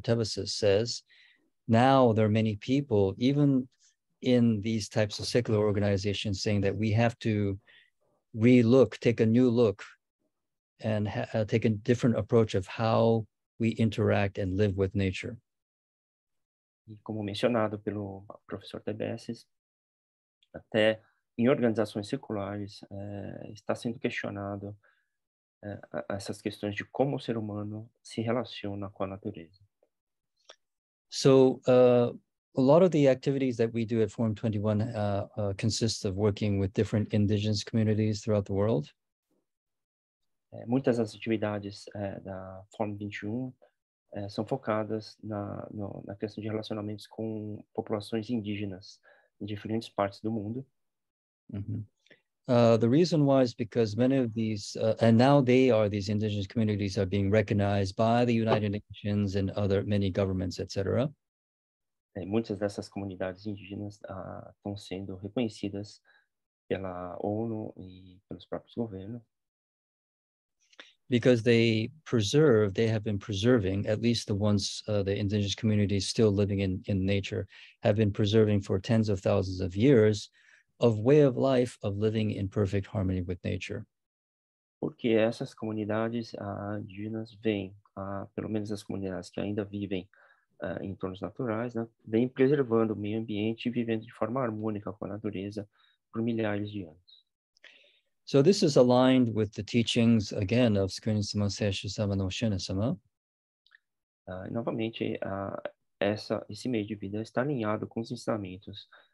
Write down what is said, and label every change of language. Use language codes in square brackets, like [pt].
[en] Tebecis says, now there are many people, even in these types of secular organizations, saying that we have to re-look, take a new look, and take a different approach of how we interact and live with nature. [pt] E como mencionado pelo professor Tebecis, até em organizações seculares, está sendo questionado essas questões de como o ser humano se relaciona com a natureza. [en] So, a lot of the activities that we do at Forum 21 consists of working with different indigenous communities throughout the world. [pt] Muitas das atividades da Forum 21 são focadas na questão de relacionamentos com populações indígenas em diferentes partes do mundo. [en] The reason why is because many of these, and now they are, these indigenous communities are being recognized by the United Nations and other many governments, etc. [pt] Muitas dessas comunidades indígenas estão sendo reconhecidas pela ONU e pelos próprios governos. [en] Because they have been preserving, at least the ones, the indigenous communities still living in nature, have been preserving for tens of thousands of years, of way of life, of living in perfect harmony with nature. [pt] Porque essas comunidades indígenas vêm, pelo menos as comunidades que ainda vivem em entornos naturais, né, vêm preservando o meio ambiente e vivendo de forma harmônica com a natureza por milhares de anos. [en] So this is aligned with the teachings, again, of Skunisama Seshisama no Shinisama. [pt] Novamente, esse meio de vida está alinhado com os ensinamentos.